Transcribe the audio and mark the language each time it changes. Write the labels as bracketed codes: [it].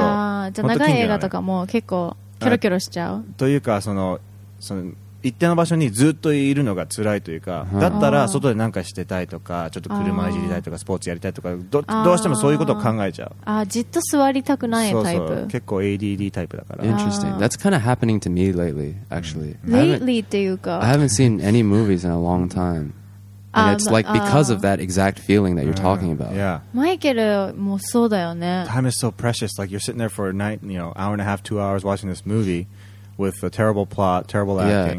[ja] じゃあ長い映画とかも結構キョロキョロしちゃうというかその一定の場所にずっといるのが辛いというか、うん、だったら外で何かしてたいとかちょっと車いじりたいとかスポーツやりたいとか どうしてもそういうことを考えちゃうああじっと座りたくないタイプそうそう結構 ADD タイプだから [en] Interesting That's kind of happening to me lately actually、 [ja] うん、Lately っていうか [en] I haven't seen any movies in a long time And it's like because of that exact feeling that you're talking about、 yeah. [ja] マイケルもそうだよね [en] Time is so precious Like you're sitting there for a night you know, hour and a half, 2 hours watching this movieWith a terrible plot, terrible acting.